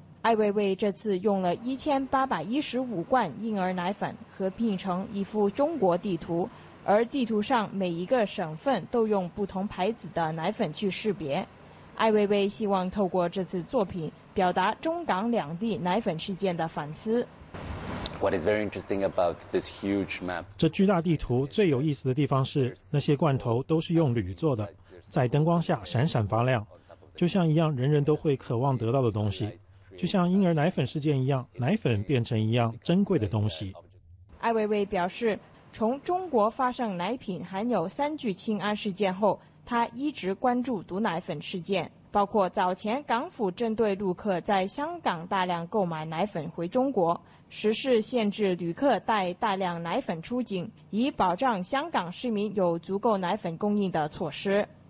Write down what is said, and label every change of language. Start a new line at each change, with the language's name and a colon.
Chinese: 艾未未这次用了1815罐婴儿奶粉合并成一幅中国地图。而地图上每一个省份都用不同牌子的奶粉去识别。艾未未希望透过这次作品表达中港两地奶粉事件的反思。
English: What is very interesting about this huge map?
Chinese: 这巨大地图最有意思的地方是，那些罐头都是用铝做的，在灯光下闪闪发亮，就像一样人人都会渴望得到的东西，就像婴儿奶粉事件一样，奶粉变成一样珍贵的东西。艾未未表示，从中国发生奶品含有三聚氰胺事件后，他一直关注毒奶粉事件，包括早前港府针对陆客在香港大量购买奶粉回中国，实施限制旅客带大量奶粉出境，以保障香港市民有足够奶粉供应的措施。